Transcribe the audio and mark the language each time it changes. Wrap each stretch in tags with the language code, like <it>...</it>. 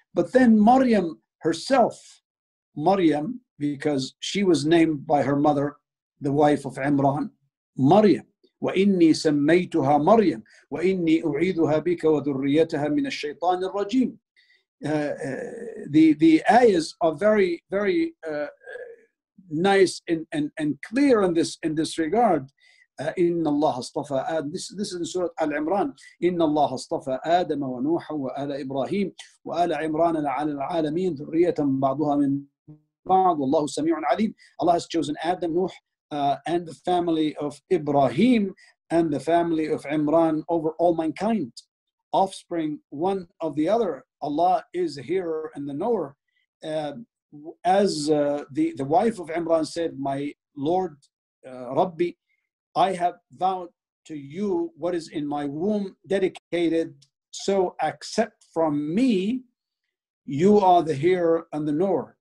<en>But then Maryam herself, Maryam, because she was named by her mother, the wife of Imran, Maryam.</en> <ar>وإني سميتها مريم وإني أعيذها بك وذريتها من الشيطان الرجيم.</ar> <en>The ayahs are very, very nice and clear in this regard.</en> <ar>إن الله اصطفى آدم.</ar> <en>This is in Surah Al Imran.</en> <ar>إن الله اصطفى آدم ونوح وآل إبراهيم وآل عمران على العالمين ذرية بعضها من بعض والله سميع عليم.</ar> <en>Allah has chosen Adam, Nuh, and the family of Ibrahim and the family of Imran over all mankind, offspring one of the other. Allah is the hearer and the knower. As the wife of Imran said, my Lord, Rabbi, I have vowed to you what is in my womb dedicated, so accept from me, you are the hearer and the knower.</en>